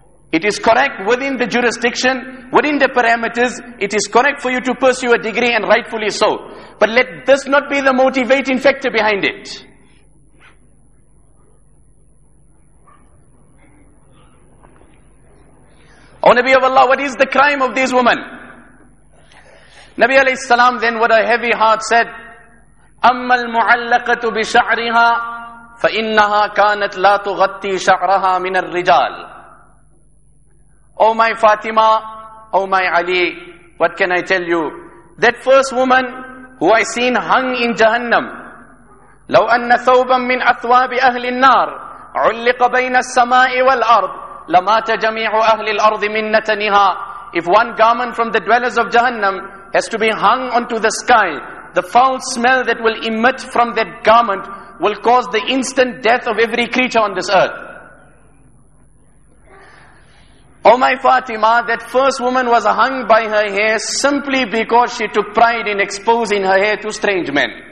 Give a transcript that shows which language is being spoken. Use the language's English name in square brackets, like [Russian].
[English] It is correct within the jurisdiction, within the parameters, it is correct for you to pursue a degree, and rightfully so. But let this not be the motivating factor behind it. O Nabi of Allah, what is the crime of these women? Nabi alayhi salam then with a heavy heart said, [Arabic] أَمَّا الْمُعَلَّقَةُ بِشَعْرِهَا فَإِنَّهَا كَانَتْ لَا تُغَطِّي شَعْرَهَا مِنَ الرِّجَالِ. [English] O my Fatima, O my Ali, what can I tell you? That first woman who I seen hung in Jahannam, [Arabic] لو أن ثوبا من أثواب أهل النار علق بين السماء والأرض لمات جميع أهل الأرض من نتنها. [English] If one garment from the dwellers of Jahannam has to be hung onto the sky, the foul smell that will emit from that garment will cause the instant death of every creature on this earth. O my Fatima, that first woman was hung by her hair simply because she took pride in exposing her hair to strange men.